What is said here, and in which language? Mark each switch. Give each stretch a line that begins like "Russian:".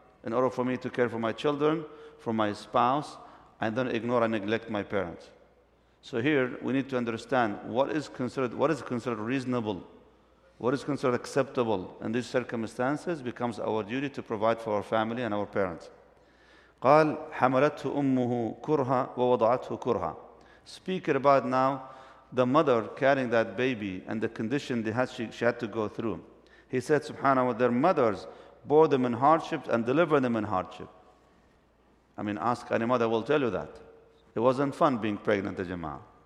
English: In order for me to care for my children, for my spouse, I don't ignore and neglect my parents. So here, we need to understand what is considered reasonable, what is considered acceptable in these circumstances becomes our duty to provide for our family and our parents.
Arabic: قال حملته أمه كرها ووضعته كرها.
English: Speak about now the mother carrying that baby and the condition she had to go through. He said, subhanahu wa, their mothers bore them in hardship and delivered them in hardship. I mean, ask any mother, will tell you that. It wasn't fun being pregnant, the Jama'ah.